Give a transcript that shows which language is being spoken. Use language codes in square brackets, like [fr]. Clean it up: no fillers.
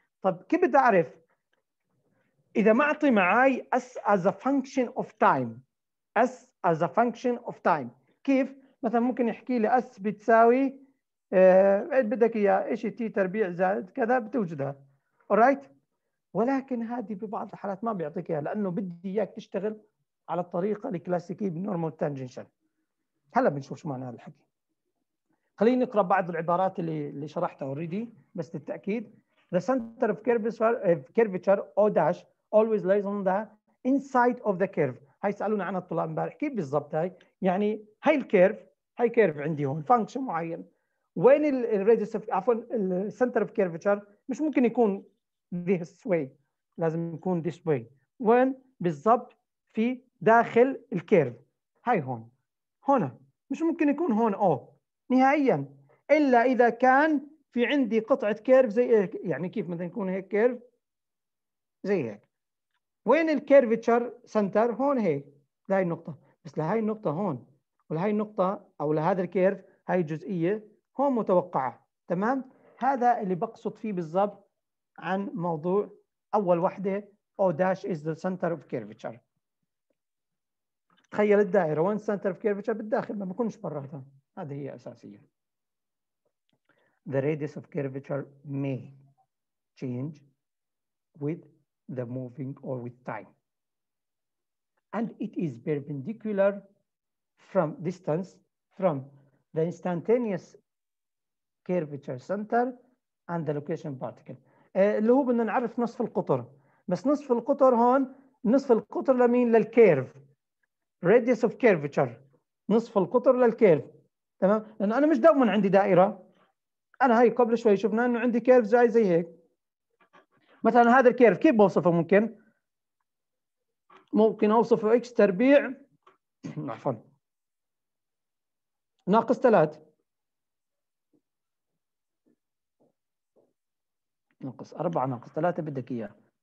[ar] طب كيف بدي اعرف اذا ما اعطي معي [en] S is a function of time? [ar] اس از ا فانكشن اوف تايم كيف؟ مثلا ممكن يحكي لي اس بتساوي بدك اياه شيء تي تربيع زائد كذا بتوجدها. اورايت ولكن هذه ببعض الحالات ما بيعطيك اياها لانه بدي اياك تشتغل على الطريقه الكلاسيكيه بالنورمال تانجنشال. هلا بنشوف شو معنى هذا الحكي. خليني نقرا بعض العبارات اللي شرحتها اوريدي بس للتاكيد. [en] The center of curvature O dash always lies on the inside of the curve. [ar] هاي سالونا عنها الطلاب امبارح، كيف بالضبط هاي؟ يعني هاي الكيرف، هاي كيرف عندي هون فانكشن معين، وين الريديوس اوف عفوا السنتر اوف كيرفتشر؟ مش ممكن يكون [en] this way, [ar] لازم يكون ذيس واي. وين بالضبط؟ في داخل الكيرف هاي هون، هنا مش ممكن يكون هون او نهائيا الا اذا كان في عندي قطعه كيرف زي يعني كيف مثلا يكون هيك كيرف زي هيك. وين الكيرفتشر سنتر؟ هون هيك لهي النقطه، بس لهي النقطه هون ولهي النقطه او لهذا الكيرف هاي جزئيه هون متوقعه. تمام، هذا اللي بقصد فيه بالضبط عن موضوع اول وحده او [en] Dash is the centre of curvature. [ar] تخيل الدائره وين سنتر اوف كيرفتشر؟ بالداخل ما بكونش برا، هذه هي اساسيه. [en] The radius of curvature may change with the moving or with time. And it is perpendicular from distance from the instantaneous curvature center and the location particle. [ar] اللي هو بدنا نعرف نصف القطر، بس نصف القطر هون نصف القطر لمين؟ للكيرف. [en] Radius of curvature [ar] نصف القطر للكيرف. تمام؟ لأن أنا مش دائما عندي دائرة. أنا هاي قبل شوي شفنا إنه عندي كيرف زي هيك. مثلا هذا الكيرف كيف بوصفه ممكن؟ ممكن أوصفه إكس تربيع عفوا ناقص ثلاث ناقص أربعة ناقص ثلاثة بدك إياه.